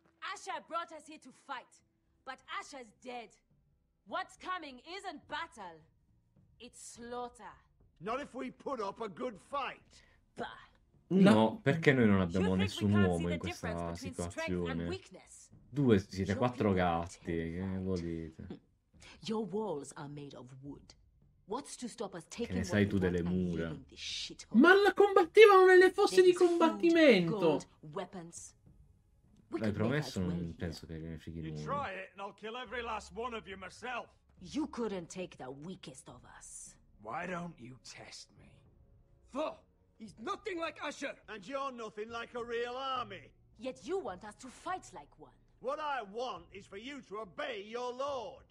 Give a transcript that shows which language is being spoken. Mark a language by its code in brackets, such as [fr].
[en] Asher brought us here to fight, but Asher's dead. What's coming isn't battle, it's slaughter. Not if we put up a good fight. [it] No, perché noi non abbiamo nessun uomo in questa situazione? Due, siete quattro gatti, che volete? [en] Your walls are made of wood. What's to stop us taking [it] che ne sai tu delle mura? Ma la combattevano nelle fosse di combattimento! L'hai promesso? Non penso che ne fighi nulla. [en] Try it and I'll kill every last one of you myself. You couldn't take the weakest of us. Why don't you test me? For he's nothing like Asher. And you're nothing like a real army. Yet you want us to fight like one. What I want is for you to obey your lord.